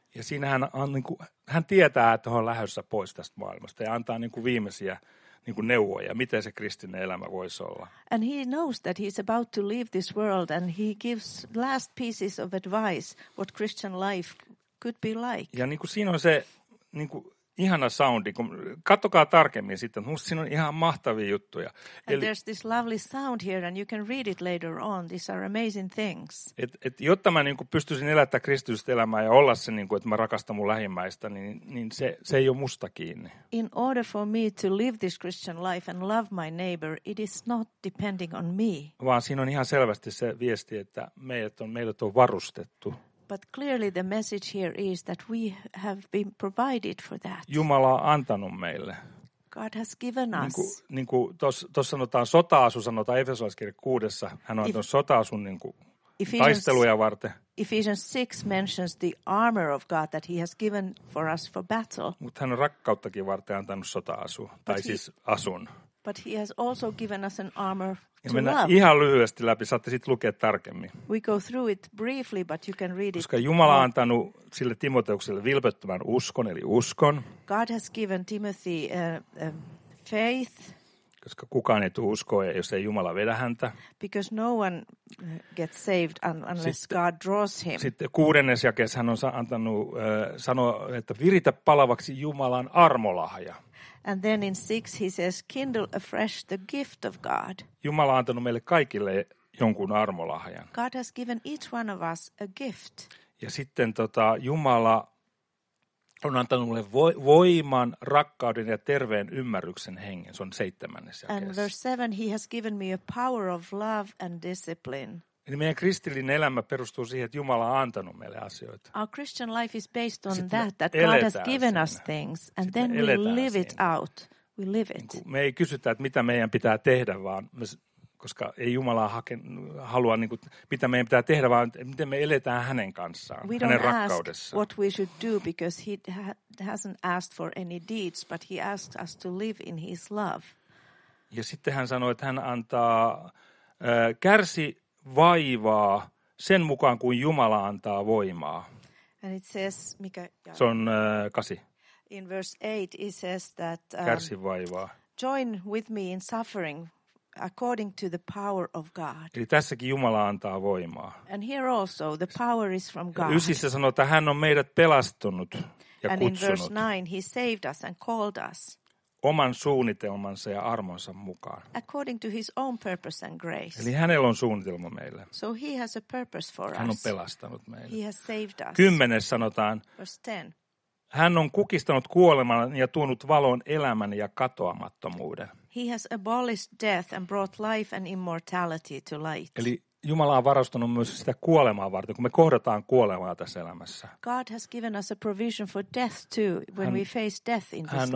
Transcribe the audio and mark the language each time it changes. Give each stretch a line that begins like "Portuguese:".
Finnish: Ja siinä hän, on, niin kuin, hän tietää, että hän on lähdössä pois tästä maailmasta ja antaa niin kuin viimeisiä niin kuin neuvoja, miten se kristillinen elämä voisi olla.
English: And he knows that he's about to leave this world and he gives last pieces of advice what Christian life could be like.
Finnish: Ja niin kuin siinä on se niin kuin ihana soundi, kun katsokaa tarkemmin sitten, mutta siinä on ihan mahtavia juttuja.
English: And eli, there's this lovely sound here and you can read it later on. These are amazing things.
Finnish: Et jotta mä niin kuin pystyisin elättää kristillistä elämää ja olla se, niin kuin, että mä rakastan mun lähimmäistä, niin se ei ole musta kiinni.
English: In order for me to live this Christian life and love my neighbor, it is not depending on me.
Finnish: Vaan siinä on ihan selvästi se viesti, että meidät on varustettu.
English: But clearly the message here is that we have been provided for that.
Finnish: Jumala on antanut meille.
English: God has given us.
Finnish: Niin kuin tuossa sanotaan sota-asu, sanotaan Efesolaiskirja 6, hän on antanut sota-asun niin kuin taisteluja varten.
English: Ephesians 6 mentions the armor of God that he has given for us for battle.
Finnish: Mutta hän on rakkauttakin varten antanut sota-asu, tai siis asun.
English: But he has also given us an armor to love.
Finnish: Ja mennään ihan lyhyesti läpi, saatte sitten lukea tarkemmin.
English: We go through it briefly, but you can read it.
Finnish: Koska Jumala on antanut sille Timoteukselle vilpettömän uskon, eli uskon.
English: God has given Timothy faith.
Finnish: Koska kukaan ei tule uskoa, jos ei Jumala vedä häntä.
English: Because no one gets saved unless God draws him.
Finnish: Sitten kuudennes jakeessa hän on antanut sanoa, että viritä palavaksi Jumalan armolahja.
English: And then in 6 he says kindle afresh the gift of God.
Finnish: Jumala on antanut meille kaikille jonkun armolahjan.
English: God has given each one of us a gift.
Finnish: Ja sitten Jumala on antanut meille voiman, rakkauden ja terveen ymmärryksen hengen. Se on 7.
English: And verse 7 he has given me a power of love and discipline.
Finnish: Eli meidän kristillinen elämä perustuu siihen, että Jumala on antanut meille asioita.
English: Our Christian life is based on that God has given us things and then we live it out. We live it.
Finnish: Me ei kysytä, että mitä meidän pitää tehdä, vaan koska ei Jumala halua niin kuin, mitä meidän pitää tehdä, vaan miten me eletään hänen kanssaan,
English: we
Finnish: hänen rakkaudessaan.
English: What we should do because he hasn't asked for any deeds, but he asked us to live in his love.
Finnish: Ja sitten hän sanoi, että hän antaa kärsi vaivaa sen mukaan, kuin Jumala antaa voimaa.
English: And it says,
Finnish: mikä, se on 8.
English: In verse 8 it says that
Finnish: kärsi vaivaa.
English: Join with me in suffering according to the power of God.
Finnish: Eli tässäkin Jumala antaa voimaa.
English: And here also the power is from God.
Finnish: 9 sanoo, että hän on meidät pelastunut ja
English: and
Finnish: kutsunut.
English: In verse 9 he saved us and called us.
Finnish: oman suunnitelmansa ja armonsa mukaan.
English: According to his own purpose and grace.
Finnish: Eli hänellä on suunnitelma meille.
English: So he has a purpose for us.
Finnish: Hän on pelastanut meille.
English: He has saved us.
Finnish: 10 sanotaan.
English: Verse 10.
Finnish: Hän on kukistanut kuoleman ja tuonut valon elämän ja katoamattomuuden.
English: He has abolished death and brought life and immortality to light.
Finnish: Eli Jumala on varastanut myös sitä kuolemaa varten, kun me kohdataan kuolemaa tässä elämässä.
English: God has given us a provision for death too when we face death in this life.